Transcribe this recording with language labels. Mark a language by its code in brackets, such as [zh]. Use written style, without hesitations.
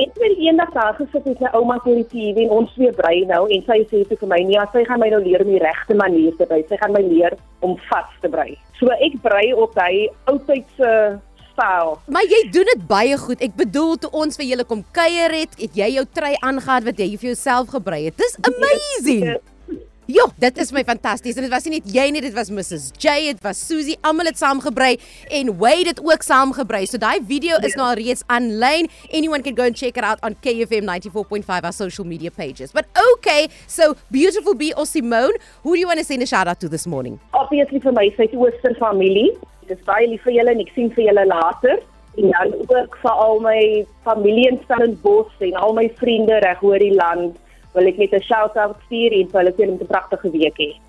[af] En toe het een dag daar gesit met my ouma voor die TV en ons weer brei nou, en sy sê toe vir my, nie, sy gaan my nou leer om die regte manier te brei, sy gaan my leer om vast te brei. So ek brei op hy oudtydse Wow. Maar jy doen dit baie goed. Ek bedoel, toe ons vir julle kom kuier het, het jy jou trui aangehad wat jy vir jouself gebrei het. Dis amazing. Jo, dit is my fantasties. En dit was nie net jy nie, dit was Mrs. J, dit was Susie, almal het saam gebrei en Wade het ook saam gebrei. So die video is nou reeds online. [en] Anyone can go and check it out on KFM 94.5, our social media pages. But okay, so Beautiful B or Simone, who do you want to send a shout out to this morning? Obviously [af] vir my Suid-Ooster familie. Dis baie lief vir julle en ek sien vir julle later. En dan ook vir al my familie in Stellenbosch en al my vriende reg oor die land, wil ek net 'n shout-out stuur en vir hulle sê met 'n pragtige week hê.